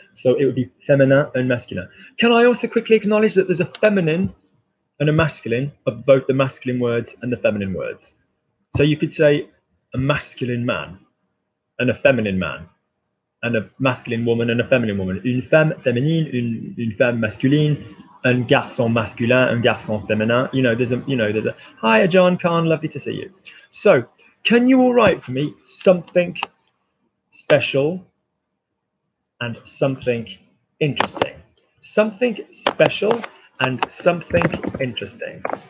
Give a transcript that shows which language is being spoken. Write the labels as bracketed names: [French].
[English] So it would be feminin and masculin. Can I also quickly acknowledge that there's a feminine and a masculine of both the masculine words and the feminine words? So you could say a masculine man and a feminine man and a masculine woman and a feminine woman. [French] Une femme féminine, une femme masculine, un garçon masculin, un garçon féminin. [English] You know, there's a, hi, John Khan, lovely to see you. So, can you all write for me something special and something interesting? Something special and something interesting.